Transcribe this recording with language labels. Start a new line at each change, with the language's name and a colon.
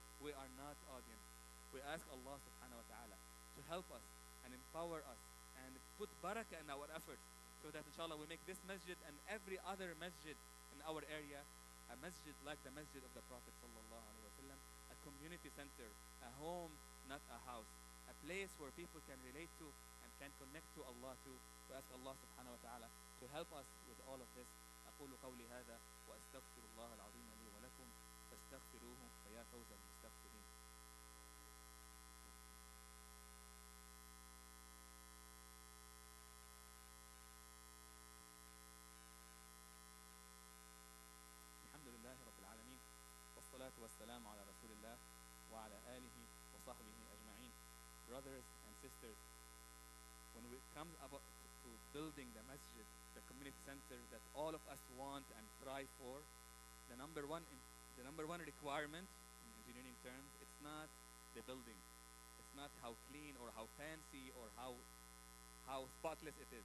English: We are not audience. We ask Allah subhanahu wa ta'ala to help us and empower us and put barakah in our efforts so that inshallah we make this masjid and every other masjid in our area a masjid like the masjid of the Prophet sallallahu alayhi wa sallam, a community center, a home, not a house, a place where people can relate to and can connect to Allah too.
Arabic: وأسأل الله سبحانه وتعالى
English: to help us with all of this.
Arabic: أقول قولي هذا وأستغفر الله العظيم لي ولكم فاستغفروه فيا فوز المستغفرين. الحمد لله رب العالمين والصلاة والسلام على رسول الله وعلى آله وصحبه أجمعين.
English: Brothers and sisters, when we come about to building the masjid, the community center that all of us want and strive for, the number one requirement in engineering terms, it's not the building. It's not how clean or how fancy or how spotless it is.